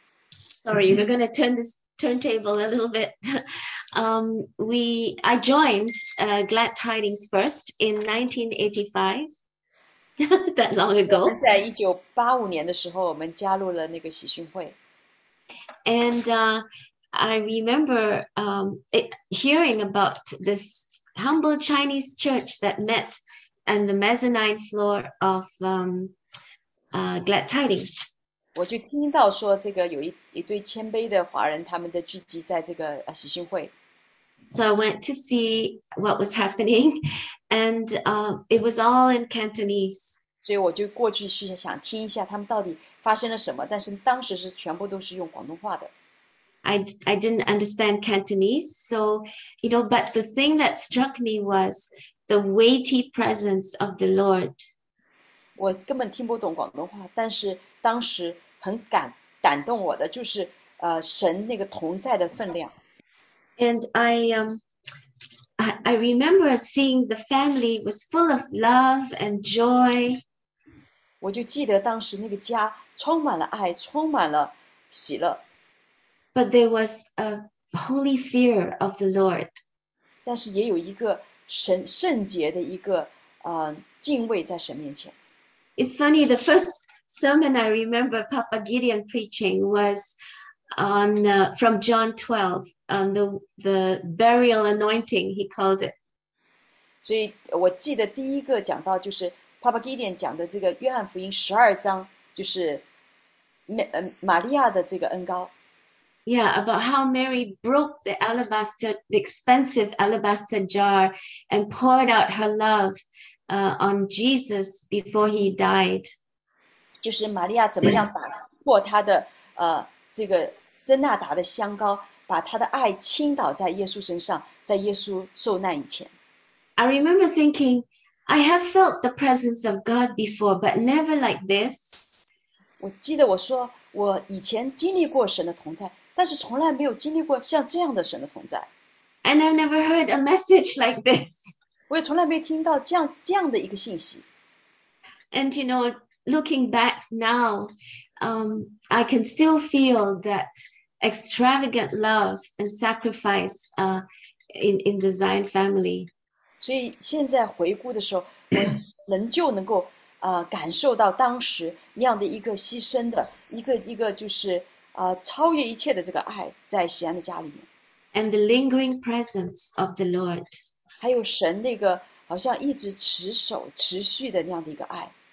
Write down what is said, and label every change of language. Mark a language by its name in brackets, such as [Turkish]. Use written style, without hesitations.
[English] Sorry, we're going to turn this turntable a little bit. I joined Glad Tidings first in 1985, that long ago. [Chinese] 在1985年的时候，我们加入了那个喜讯会。 [English] And I remember hearing about this humble Chinese church that met on the mezzanine floor of Glad Tidings. [Chinese] 我就听到说这个有一对谦卑的华人他们的聚集在这个喜讯会。 [English] So I went to see what was happening, and it was all in Cantonese. [Chinese] 所以我就过去去想听一下他们到底发生了什么，但是当时是全部都是用广东话的。 [English] I didn't understand Cantonese, so, you know, but the thing that struck me was the weighty presence of the Lord. [Chinese] 我根本听不懂广东话，但是当时很感动我的就是神那个同在的分量。 [English] And I remember seeing the family was full of love and joy. [Chinese] 我就记得当时那个家充满了爱，充满了喜乐。 [English] But there was a holy fear of the Lord. [Chinese] 但是也有一个神圣洁的一个敬畏在神面前。 [English] It's funny, the first sermon I remember Papa Gideon preaching was on, from John 12, on the burial anointing, he called it. [Chinese] 所以我记得第一个讲到就是 Papa Gideon 讲的这个约翰福音十二章就是玛利亚的这个恩膏。 [English] Yeah, about how Mary broke the expensive alabaster jar and poured out her love. On Jesus before he died. [Chinese] 就是玛利亚怎么样打破她的这个真纳达的香膏，把她的爱倾倒在耶稣身上，在耶稣受难以前。 [English] I remember thinking, I have felt the presence of God before, but never like this. [Chinese] 我记得我说，我以前经历过神的同在，但是从来没有经历过像这样的神的同在。 [English] And I've never heard a message like this. [Chinese] 我也从来没听到这样的一个信息。 [English] And you know, looking back now, I can still feel that extravagant love and sacrifice, in the Zion family. [Chinese] 所以现在回顾的时候，我仍旧能够感受到当时那样的一个牺牲的一个就是超越一切的这个爱在锡安的家里面。 [English] And the lingering presence of the Lord. [Chinese] 还有神那个好像一直持守持续的那样的一个爱。